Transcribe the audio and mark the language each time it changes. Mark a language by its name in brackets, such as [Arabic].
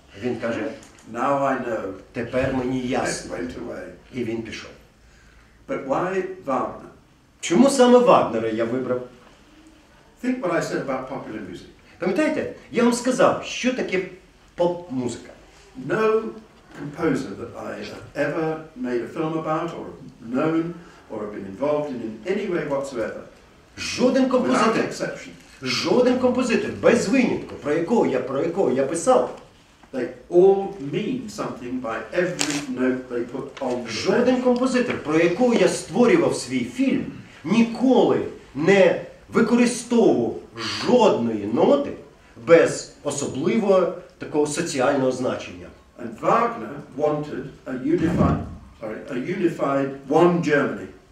[Ukrainian] Він каже, [English] now I know. [Ukrainian] Тепер мені ясно. [English] Went away. [Ukrainian] І він пішов. [English] But why Wagner? [Ukrainian] Чому саме Вагнера я вибрав? [English] Think what I said about popular music. [Ukrainian] Пам'ятаєте, я вам сказав, що таке поп-музика? [English] No composer that I have ever made a film about or known or have been involved in any way whatsoever. [Ukrainian] Жоден композитор. Жоден композитор без винятку, про якого я писав. [English] They all mean something by every note they put on. [Ukrainian] Жоден композитор, про якого я створював свій фільм, ніколи не використовував жодної ноти без особливого такого соціального значення. [English] And Wagner wanted a unified one Germany.